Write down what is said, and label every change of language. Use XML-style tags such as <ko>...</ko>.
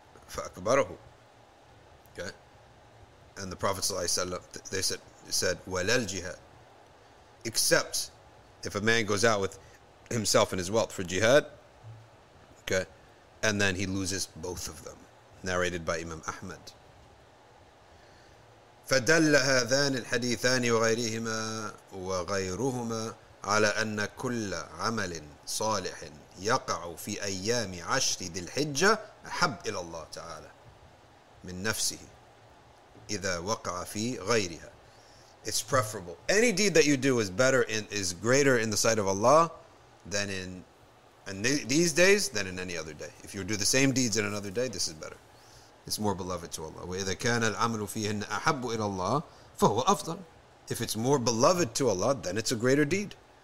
<ar>فَأَكْبَرَهُ Okay.</ar> <en>And the Prophet ﷺ, they said, walal jihad. Except if a man goes out with himself and his wealth for jihad, okay, and then he loses both of them. Narrated by Imam Ahmad.</en> <ar>فدل هذان الحديثان وغيرهما وغيرهما على أن كل عمل صالح يقع في أيام عشر ذي الحجة أحب إلى الله تعالى من نفسه إذا وقع في غيرها.</ar> <en>It's preferable. Any deed that you do is greater in the sight of Allah than in these days than in any other day. If you do the same deeds in another day, this is better. It's more beloved to Allah.</en> <ar>وَإِذَا كَانَ الْعَمَلُ فِيهِنَّ أَحَبُّ إِلَى اللَّهِ فَهُوَ أَفْضَلُ</ar> <en>If it's more beloved to Allah, then it's a greater deed.</en>